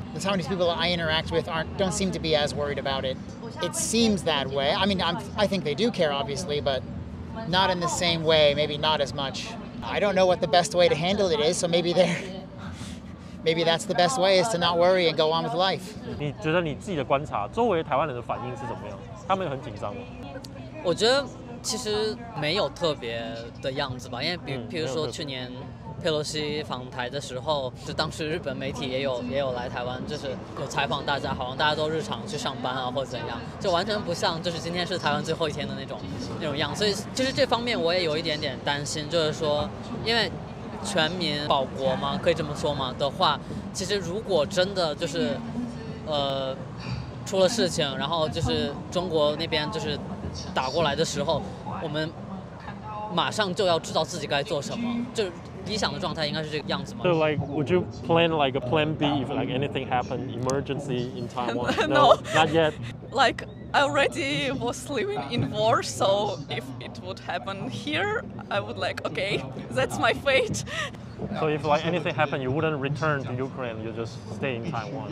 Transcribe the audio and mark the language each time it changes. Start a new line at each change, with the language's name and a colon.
English: The Taiwanese people I interact with don't seem to be as worried about it. It seems that way. I mean, I think they do care, obviously, but not in the same way, maybe not as much. I don't know what the best way to handle it is, so maybe that's the best way, is to not worry and go on with life.
Chinese: 你觉得你自己的观察，周围台湾人的反应是怎么样？他们很紧张吗？我觉得其实没有特别的样子吧，因为譬如说去年佩洛西访台的时候，就当时日本媒体也有来台湾，就是有采访大家，好像大家都日常去上班啊或怎样，就完全不像就是今天是台湾最后一天的那种样。所以就是这方面我也有一点点担心，就是说因为全民保国嘛，可以这么说吗的话，其实如果真的就是出了事情，然后就是中国那边就是打过来的时候，我们马上就要知道自己该做什么，就理想的状态应该是这个样子吗？
English: So like, would you plan like a plan B if like anything happened, emergency in Taiwan? No, not yet. Like, I already was living in war, so if it would happen here, I would like, okay, that's my fate. So if like anything happened, you wouldn't return to Ukraine, you just stay in Taiwan?